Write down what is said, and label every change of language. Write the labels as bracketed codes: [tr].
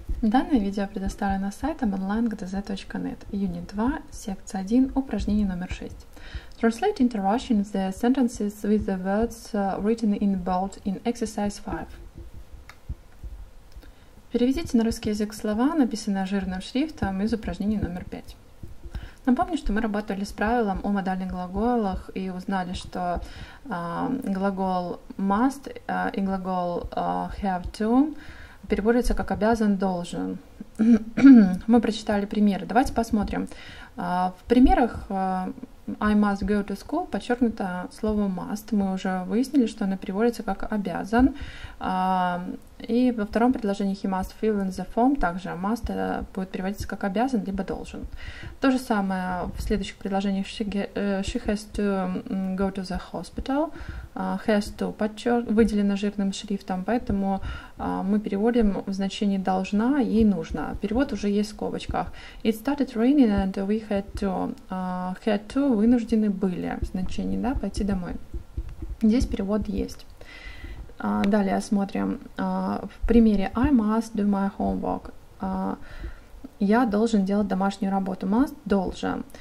[ru] Данное видео предоставлено сайтом online.gdz.net, Unit 2, секция 1, упражнение номер 6. [en] Translate into Russian the sentences with the words written in bold in exercise 5. [ru] Переведите на русский язык слова, написанные жирным шрифтом, из упражнения номер 5. Напомню, что мы работали с правилом о модальных глаголах и узнали, что глагол must и глагол have to переводится как «обязан», «должен». Мы прочитали примеры. Давайте посмотрим. В примерах [en] «I must go to school» [ru] подчеркнуто слово «must». Мы уже выяснили, что оно переводится как «обязан». И во втором предложении [en] «he must fill in the form» [ru] также «must» будет переводиться как «обязан» либо «должен». То же самое в следующих предложениях [en] «she has to go to the hospital». [ru] «Has to» выделено жирным шрифтом, поэтому мы переводим в значение «должна» и «нужно». Перевод уже есть в скобочках. [en] «It started raining and we had to». [ru] «Had to» — «вынуждены были» в значении, да, «пойти домой». Здесь перевод есть. Далее смотрим. В примере [en] «I must do my homework». [ru] «Я должен делать домашнюю работу». «Must» — «должен».